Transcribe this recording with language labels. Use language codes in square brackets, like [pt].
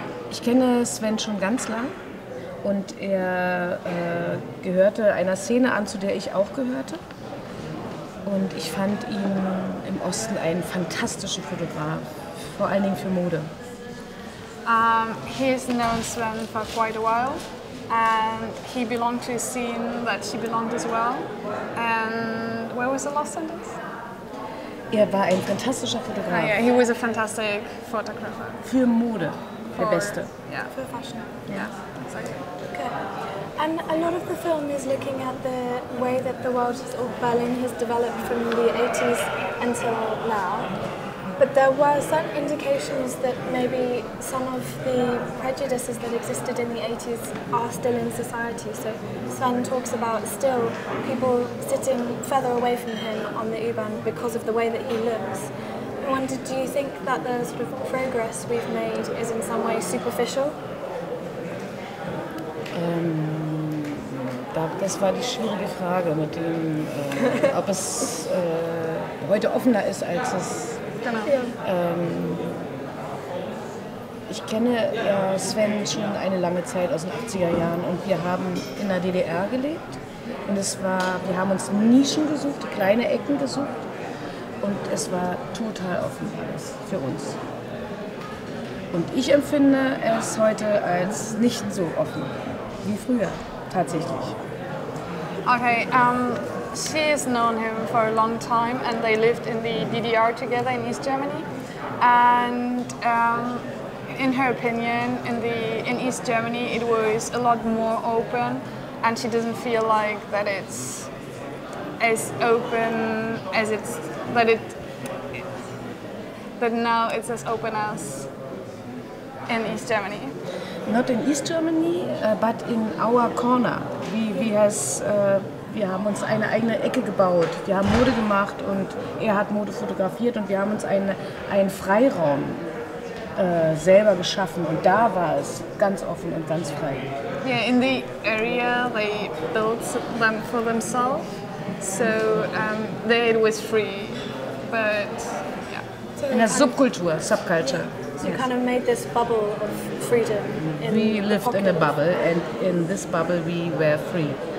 [de] Ich kenne Sven schon ganz lang und er gehörte einer Szene an, zu der ich auch gehörte. Und ich fand ihn im Osten einen fantastischen Fotograf, vor allen Dingen für Mode. [en] He has known Sven for quite a while. And he belonged to a scene that she belonged as well. And where was the last sentence? [de] Er war ein fantastischer Fotograf. [en] Yeah, he was a fantastic photographer. [de] Für Mode, der Beste. Yeah. [en] For fashion. Yeah, exactly. Okay. And a lot of the film is looking at the way that the world has, or Berlin has developed from the 80s until now. But there were some indications that maybe some of the prejudices that existed in the 80s are still in society. So Sven talks about still people sitting further away from him on the U-Bahn because of the way that he looks. I wondered, do you think that the sort of progress we've made is in some way superficial? [de] Das war die schwierige Frage mit dem, ob es heute offener ist als es. Ich kenne Sven schon eine lange Zeit aus den 80er Jahren und wir haben in der DDR gelebt und es war, wir haben uns Nischen gesucht, kleine Ecken gesucht und es war total offen alles für uns. Und ich empfinde es heute als nicht so offen wie früher tatsächlich. Okay. [en] She has known him for a long time and they lived in the DDR together in East Germany. And in her opinion, in East Germany, it was a lot more open and she doesn't feel like that it's as open as it's, that now it's as open as in East Germany. Not in East Germany, but in our corner. We has, [de] wir haben uns eine eigene Ecke gebaut, wir haben Mode gemacht und er hat Mode fotografiert und wir haben uns einen Freiraum selber geschaffen und da war es ganz offen und ganz frei. [en] Yeah, in the area they built them for themselves, so there it was free, but yeah. [de] In der Subkultur, [en] Subculture. So you kind of made this bubble of freedom. We lived in a bubble and in this bubble we were free.